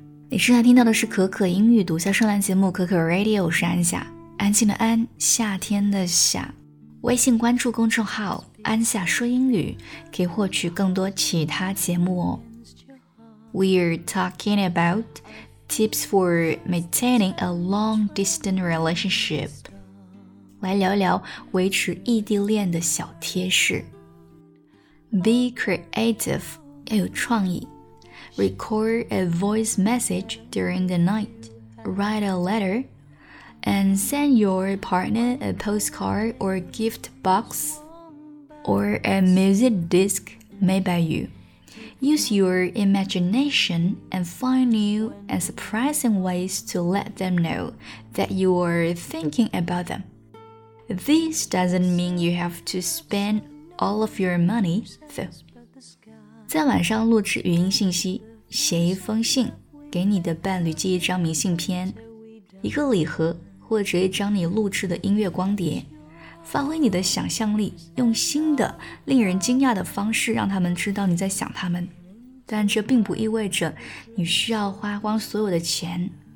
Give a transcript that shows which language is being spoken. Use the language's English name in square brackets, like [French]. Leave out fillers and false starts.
[Chinese] 你正在听到的是可可英语独家专栏节目可可 Radio， 我是安夏，安静的安，夏天的夏。微信关注公众号安夏说英语，可以获取更多其他节目哦。 [English] We're talking about tips for maintaining a long-distance relationship. [Chinese] 来聊聊维持异地恋的小贴士。 [English] Be creative, [Chinese] 要有创意。 [English] Record a voice message during the night. Write a letter. And send your partner a postcard or gift box. Or a music disc made by you. Use your imagination and find new and surprising ways to let them know that you are thinking about them. This doesn't mean you have to spend all of your money, though. [Chinese] 在晚上录制语音信息，写一封信，给你的伴侣寄一张明信片，一个礼盒，或者一张你录制的音乐光碟。发挥你的想象力，用新的令人惊讶的方式让他们知道你在想他们，但这并不意味着你需要花光所有的钱